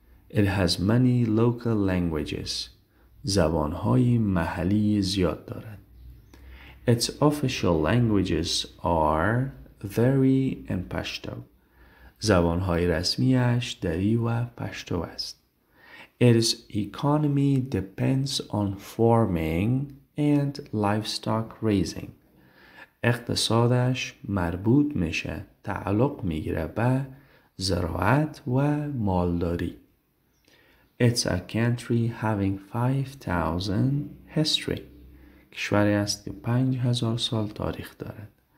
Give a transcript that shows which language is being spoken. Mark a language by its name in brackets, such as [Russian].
[English] It has many local languages. [Persian] زبان‌های محلی زیاد دارد. [English] Its official languages are Dari and Pashto. [Persian] زبان‌های رسمی‌اش دری و پشتو است. [English] Its economy depends on farming and livestock raising. [Persian] اقتصادش مربوط میشه، تعلق میگیره به زراعت و مالداری. [English] It's a country having 5,000 history. [Persian] کشوری است که 5,000 سال تاریخ دارد.